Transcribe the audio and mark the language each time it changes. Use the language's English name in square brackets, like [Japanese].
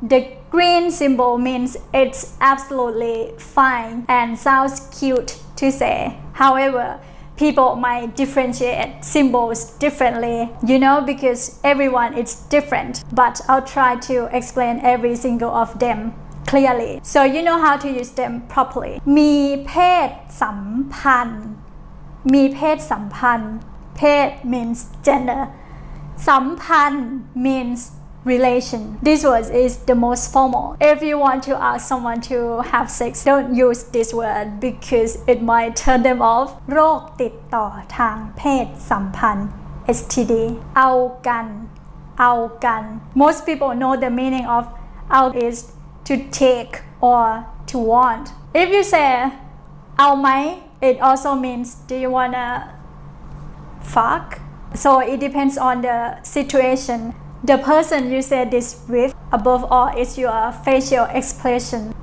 [English] The green symbol means it's absolutely fine and sounds cute to say. However, people might differentiate symbols differently, you know, because everyone is different. But I'll try to explain every single of them clearly, so you know how to use them properly. [Thai] มีเพศสัมพันธ์ มีเพศสัมพันธ์ เพศ [English] means gender. สัมพันธ์ means relation. This word is the most formal. If you want to ask someone to have sex, don't use this word because it might turn them off. [Thai] โรคติดต่อทางเพศสัมพันธ์ STD. เอากัน เอากัน. [English] Most people know the meaning of เอา is to take or to want. If you say [Thai] เอาไหม, [English] it also means do you wanna fuck? So it depends on the situation. The person you say this with, above all, is your facial expression.